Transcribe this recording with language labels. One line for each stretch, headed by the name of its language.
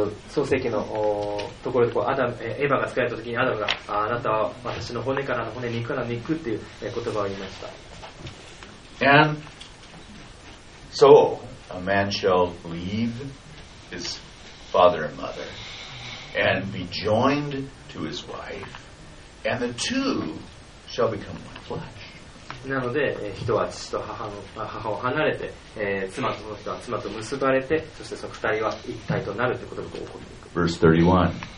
Japanese: 創世記のところでこうアダム、エヴァが使われたときにアダムがあなたは私の骨からの骨、肉からの肉っていう言葉を言いました。
English: And so a man shall leave his father and mother and be joined to his wife and the two shall become one flesh。
Japanese: なので人は父と母を離れて妻と、その人は妻と結ばれて、そしてその二人は一体となるということが起こっています。